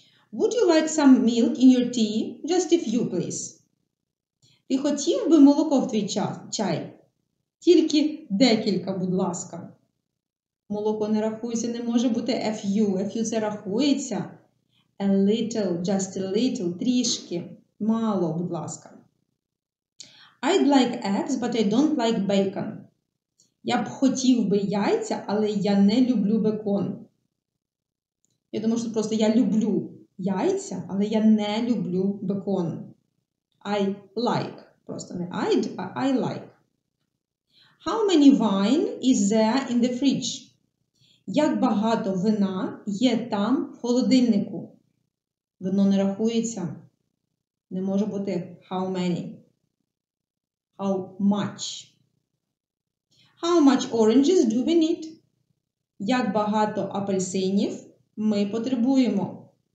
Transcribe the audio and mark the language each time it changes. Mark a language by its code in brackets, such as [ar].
[en] Would you like some milk in your tea? Just a few, please. [uk] Ти хотів би молоко в твій чай? Тільки декілька, будь ласка. Молоко не рахується, не може бути a few. [en] A few – [uk] це рахується. [en] A little, just a little, трішки. [uk] Мало, будь ласка. [en] I'd like eggs, but I don't like bacon. [uk] Я б хотів би яйця, але я не люблю бекон. Я думаю, що просто я люблю яйця, але я не люблю бекон. [en] I like. [uk] Просто не [en] I'd, а I like. How many wine is there in the fridge? [uk] Як багато вина є там в холодильнику? Вино не рахується. Не може бути how many. [en] How much. How much oranges do we need? [uk] Як багато апельсинів ми потребуємо?